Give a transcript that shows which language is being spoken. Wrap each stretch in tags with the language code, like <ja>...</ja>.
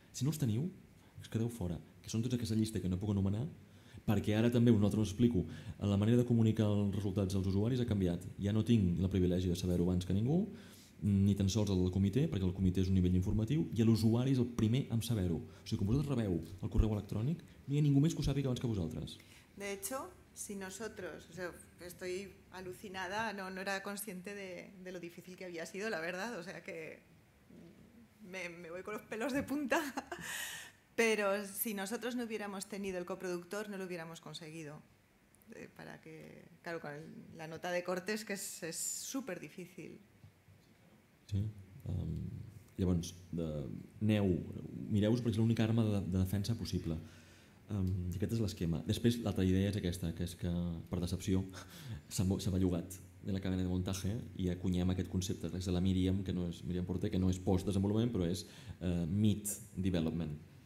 <ca>Si no els teniu, us quedeu fora. Que són tots aquesta llista que no puc anomenar, perquè ara també, vosaltres us explico, la manera de comunicar els resultats als usuaris ha canviat. Ja no tinc el privilegi de saber-ho abans que ningú, ni tan sols el del comitè, perquè el comitè és un nivell informatiu, i l'usuari és el primer en saber-ho. O sigui, com vosaltres rebeu el correu electrònic, no hi ha ningú més que ho sàpiga abans que vosaltres.</ca> <es>De hecho, si nosotros, o sea, estoy alucinada, no era consciente de lo difícil que había sido, la verdad, o sea que me voy con los pelos de punta, pero si nosotros no hubiéramos tenido el coproductor, no lo hubiéramos conseguido. Para que, claro, con la nota de cortes, que es súper difícil. Sí.</es> <ca>Llavors, aneu, mireu-vos perquè és l'única arma de defensa possible. Aquest és l'esquema. Després, l'altra idea és aquesta, que és que, per decepció, s'ha bellugat de la cadena de muntatge i acunyem aquest concepte de la Miriam, que no és Miriam Porter, que no és post-desenvolupament, però és mid-development.</ca>